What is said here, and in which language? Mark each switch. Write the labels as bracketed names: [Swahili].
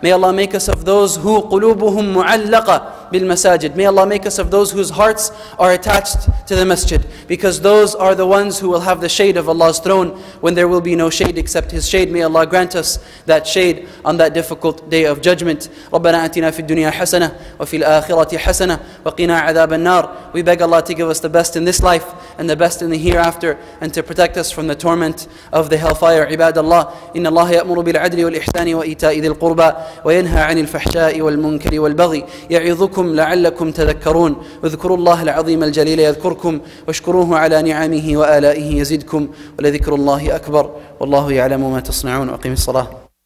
[English] May Allah make us of those who [Arabic] قلوبهم معلقة بالمساجد. [English] May Allah make us of those whose hearts are attached to the masjid. Because those are the ones who will have the shade of Allah's throne when there will be no shade except His shade. May Allah grant us that shade on that difficult day of judgment. [Arabic] ربنا آتنا في الدنيا حسنة وفي الآخرة حسنة وقنا عذاب النار. [English] We beg Allah to give us the best in this life and the best in the hereafter, and to protect us from the torment of the hellfire. [Arabic] عباد الله إن الله يأمر بالعدل والإحسان وإيتاء ذي القربى وينهى عن الفحشاء والمنكر والبغي يعظكم لعلكم تذكرون اذكروا الله العظيم الجليل يذكركم واشكروه على نعمه وآلائه يزدكم ولذكر الله أكبر والله يعلم ما تصنعون. أقيم الصلاة.